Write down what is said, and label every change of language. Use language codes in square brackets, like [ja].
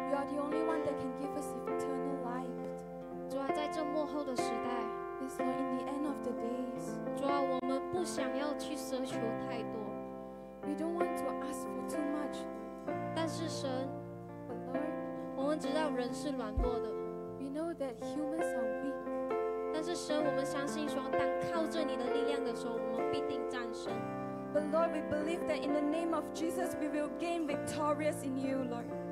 [en] you are the only one that can give us eternal life. [zh] 主啊, 在这末后的时代, [en] yes, Lord, in the end of the days, [zh] 主啊, 我们不想要去奢求太多, [en] we don't want to ask for too much. [zh] 但是神, [en] but Lord, [zh] 我们知道人是软弱的, [en] we know that humans are weak. [zh] 但是神, 我们相信说, 当靠着你的力量的时候, 我们必定战胜。 [en] But Lord, we believe that in the name of Jesus, we will gain victorious in you, Lord.